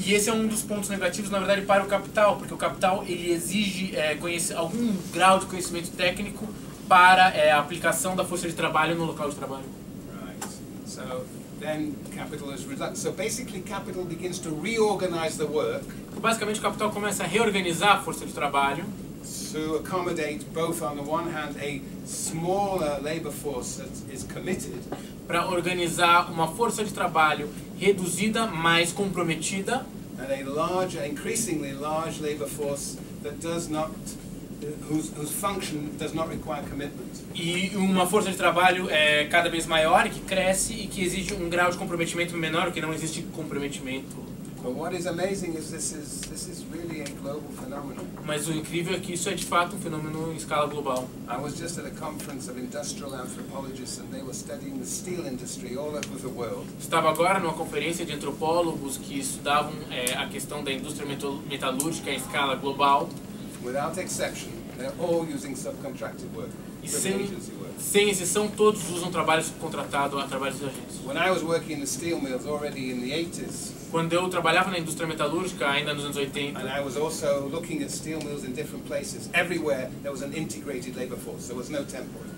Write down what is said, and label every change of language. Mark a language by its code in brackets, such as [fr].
[pt] E esse é um dos pontos negativos, na verdade, para o capital, porque o capital ele exige algum grau de conhecimento técnico para a aplicação da força de trabalho no local de trabalho. [en] Right. So then capital is reluctant. So basically, capital begins to reorganize the work. [pt] basicamente o capital começa a reorganizar a força de trabalho. [en] To accommodate both on the one hand a smaller labor force that is committed. [pt] Para organizar uma força de trabalho reduzida, mais comprometida. [en] And a larger, increasingly large labor force that does not, whose function does not require commitment. [pt] E uma força de trabalho é cada vez maior, que cresce e que exige um grau de comprometimento menor, que não existe comprometimento. [en] But what is amazing is this is really a global phenomenon. [pt] Mas o incrível é que isso é de fato um fenômeno em escala global. [en] I was just at a conference of industrial anthropologists and they were studying the steel industry all over the world. [pt] Estava agora numa conferência de antropólogos que estudavam a questão da indústria metalúrgica em escala global. [en] Without exception, they're all using subcontracted work. [pt] E sem exceção, todos usam trabalho subcontratado a trabalhos de agência. [en] When I was working in the steel mills already in the 80s, [pt] quando eu trabalhava na indústria metalúrgica ainda nos anos 80, [en] and I was also looking at steel mills in different places, everywhere there was an integrated labor force, there was no temp work.